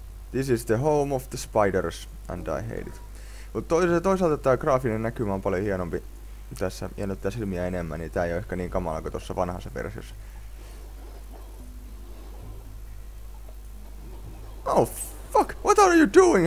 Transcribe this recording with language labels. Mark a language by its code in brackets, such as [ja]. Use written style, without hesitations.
[en] This is the home of the spiders, and I hate it. [fi] Mut toisaalta tää graafinen näkymä on paljon hienompi tässä, jännittää silmiä enemmän, niin tää ei oo ehkä niin kamala kuin tuossa vanhassa versiossa. [en] Oh fuck, what are you doing?